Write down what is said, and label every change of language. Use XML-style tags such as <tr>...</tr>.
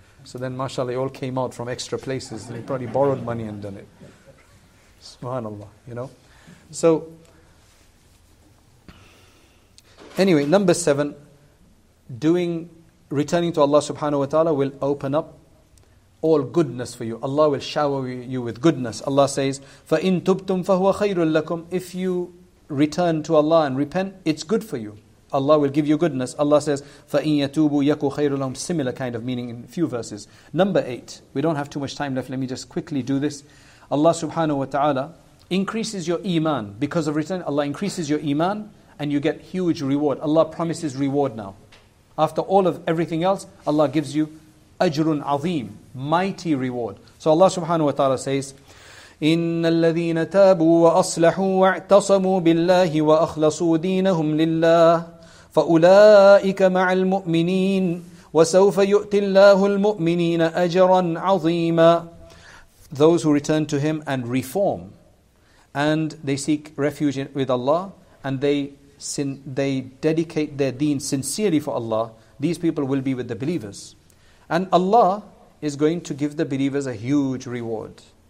<en>So then, mashallah, it all came out from extra places. And he probably borrowed money and done it. Subhanallah, you know. So, anyway, number seven, returning to Allah subhanahu wa ta'ala will open up all goodness for you. Allah will shower you with goodness. Allah says,</en> <ar>فَإِن تُبْتُمْ فَهُوَ خَيْرٌ لَكُمْ.</ar> <en>If you return to Allah and repent, it's good for you. Allah will give you goodness. Allah says,</en> <ar>فَإِن يَتُوبُوا يَكُوا خَيْرٌ لَكُمْ.</ar> <en>Similar kind of meaning in a few verses. Number eight, we don't have too much time left. Let me just quickly do this. Allah subhanahu wa ta'ala increases your iman. Because of return, Allah increases your iman and you get huge reward. Allah promises reward now. After all of everything else, Allah gives you ajrun azim, mighty reward. So Allah subhanahu wa ta'ala says,</en> <ar>إِنَّ الَّذِينَ تَابُوا وَأَصْلَحُوا وَاعْتَصَمُوا بِاللَّهِ وَأَخْلَصُوا دِينَهُمْ لِلَّهِ فَأُولَٰئِكَ مَعَ الْمُؤْمِنِينَ وَسَوْفَ يُؤْتِ اللَّهُ الْمُؤْمِنِينَ أَجْرًا عَظِيمًا.</ar> <en>Those who return to Him and reform, and they seek refuge with Allah, and they dedicate their deen sincerely for Allah, these people will be with the believers. And Allah is going to give the believers a huge reward.</en>